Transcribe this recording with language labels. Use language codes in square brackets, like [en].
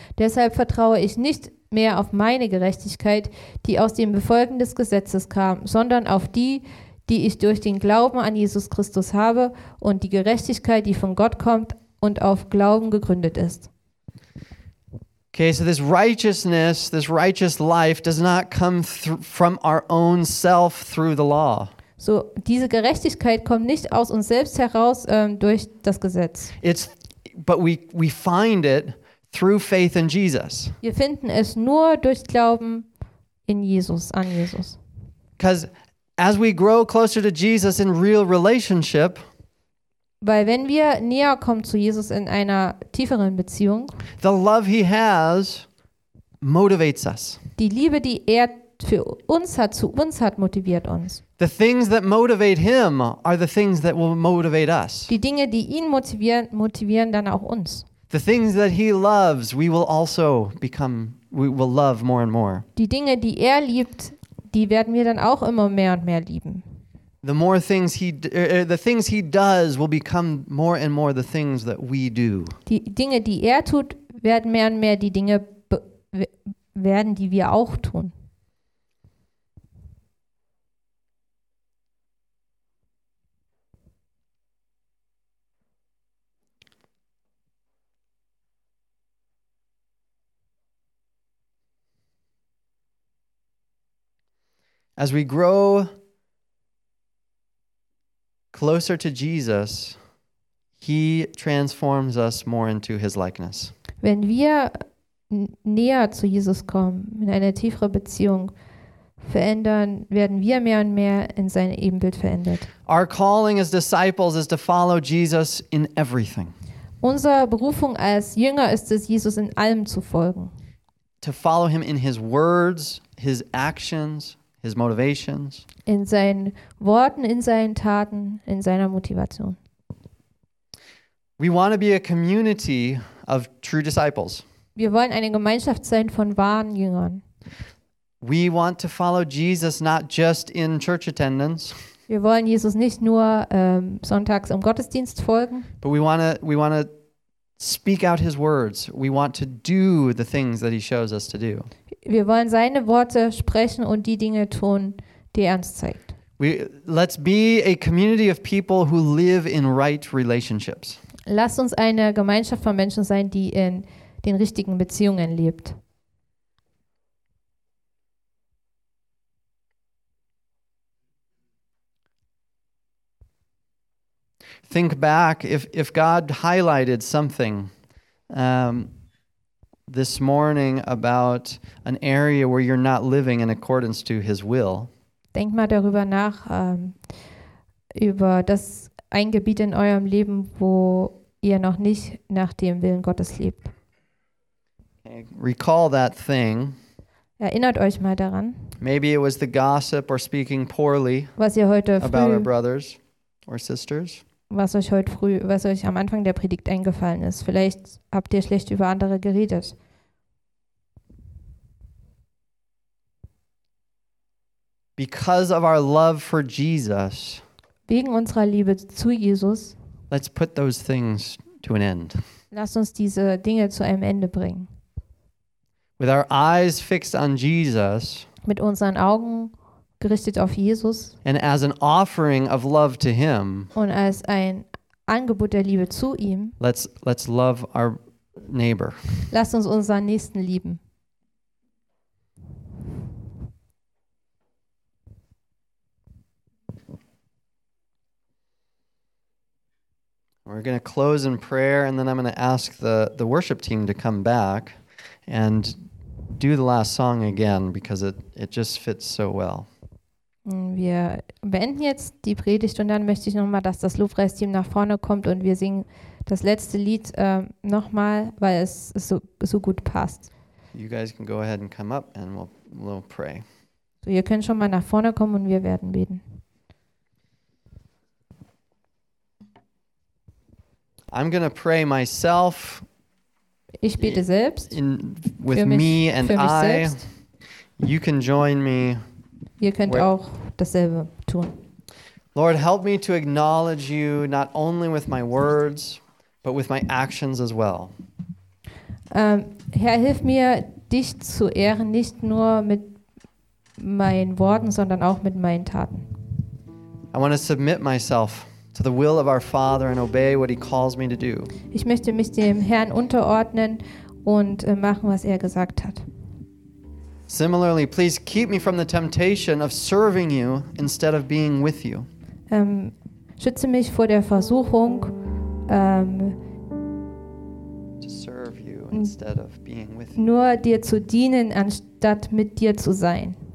[de] Deshalb vertraue ich nicht mehr auf meine Gerechtigkeit, die aus dem Befolgen des Gesetzes kam, sondern auf die, die ich durch den Glauben an Jesus Christus habe und die Gerechtigkeit, die von Gott kommt und auf Glauben gegründet ist. [en] Okay, so this righteousness, this righteous life does not come from our own self through the law. [de] So diese Gerechtigkeit kommt nicht aus uns selbst heraus durch das Gesetz. [en] But we find it through faith in Jesus. [de] Wir finden es nur durch Glauben in Jesus, an Jesus. [en] Because as we grow closer to Jesus in real relationship, [de] Weil wenn wir näher kommen zu Jesus in einer tieferen Beziehung, [en] the love he has motivates us. [de] Die Liebe, die er für uns hat, zu uns hat, motiviert uns. [en] The things that motivate him are the things that will motivate us. [de] Die Dinge, die ihn motivieren, motivieren dann auch uns. [en] The things that he loves, we will also become, we will love more and more. [de] Die Dinge, die er liebt, die werden wir dann auch immer mehr und mehr lieben. [en] The more things the things he does will become more and more the things that we do. [de] Die Dinge, die er tut, werden mehr und mehr die Dinge werden, die wir auch tun. [en] As we grow closer to Jesus, he transforms us more into his likeness. [de] Wenn wir näher zu Jesus kommen, in eine tiefere Beziehung verändern, werden wir mehr und mehr in sein Ebenbild verändert. [en] Our calling as disciples is to follow Jesus in everything. [de] Unsere Berufung als Jünger ist es, Jesus in allem zu folgen. [en] To follow him in his words, his actions, his motivations. [de] In seinen Worten, in seinen Taten, in seiner Motivation. [en] We want to be a community of true disciples. [de] Wir wollen eine Gemeinschaft sein von wahren Jüngern. [en] We want to follow Jesus not just in church attendance. [de] Wir wollen Jesus nicht nur sonntags im Gottesdienst folgen. [en] But we want to speak out his words. We want to do the things that he shows us to do. [de] Wir wollen seine Worte sprechen und die Dinge tun, die er uns zeigt. [en] Let's be a community of people who live in right relationships. [de] Lass uns eine Gemeinschaft von Menschen sein, die in den richtigen Beziehungen lebt. [en] Think back, if God highlighted something this morning about an area where you're not living in accordance to his will. [de] Denk mal darüber nach, über das ein Gebiet in eurem Leben, wo ihr noch nicht nach dem Willen Gottes lebt. [en] Okay. Recall that thing. [de] Erinnert euch mal daran. [en] Maybe it was the gossip or speaking poorly, [de] was ihr heute früh [en] about our brothers or sisters. [de] Was euch heute früh, was euch am Anfang der Predigt eingefallen ist. Vielleicht habt ihr schlecht über andere geredet. [en] Because of our love for Jesus, [de] wegen unserer Liebe zu Jesus, [en] let's put those things to an end. [de] Lasst uns diese Dinge zu einem Ende bringen. [en] With our eyes fixed on Jesus, [de] mit unseren Augen gerichtet auf Jesus, [en] and as an offering of love to him, [de] und als ein Angebot der Liebe zu ihm, [en] let's love our neighbor. [de] Lasst uns unseren Nächsten lieben. [en] We're going to close in prayer, and then I'm going to ask the worship team to come back and do the last song again, because it just fits so well. [de] Wir beenden jetzt die Predigt und dann möchte ich nochmal, dass das Lobpreisteam nach vorne kommt und wir singen das letzte Lied nochmal, weil es so gut passt. [en] You guys can go ahead and come up and we'll pray. [de] So, ihr könnt schon mal nach vorne kommen und wir werden beten. [en] I'm gonna pray myself. [de] Ich bete selbst. [en] With [de] für mich, [en] me and [de] für mich [en] I. [de] Selbst. [en] You can join me. [de] Ihr könnt auch dasselbe tun. [en] Lord, help me to acknowledge you not only with my words, but with my actions as well. [de] Herr, hilf mir, dich zu ehren, nicht nur mit meinen Worten, sondern auch mit meinen Taten. [en] I want to submit myself to the will of our Father and obey what he calls me to do. [de] Ich möchte mich dem Herrn unterordnen und machen, was er gesagt hat. [en] Similarly, please keep me from the temptation of serving you instead of being with you. [de] Schütze mich vor der Versuchung, [en] to serve you instead of being with you. [de] Nur dir zu dienen, anstatt mit dir zu sein.